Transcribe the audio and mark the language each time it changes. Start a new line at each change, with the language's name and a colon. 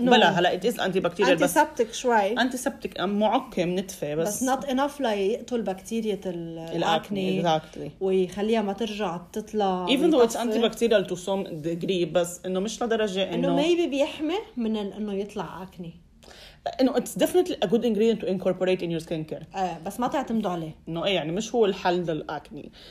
Arabic: بلا هلا
English: it is antibacterial.
Arabic: Antiseptic شوي. Antiseptic معقم نتفة بس.
English: But not enough
Arabic: ليقتل بكتيريا الأكني.
English: Exactly.
Arabic: ويخليها ما ترجع تطلع.
English: Even though it's antibacterial to some degree
Arabic: بس إنه مش لدرجة إنه maybe بيحمي من إنه يطلع أكني.
English: إنه it's definitely a good ingredient to incorporate in your skincare.
Arabic: بس ما تعتمدوا عليه. إنه إيه يعني مش هو الحل للأكني.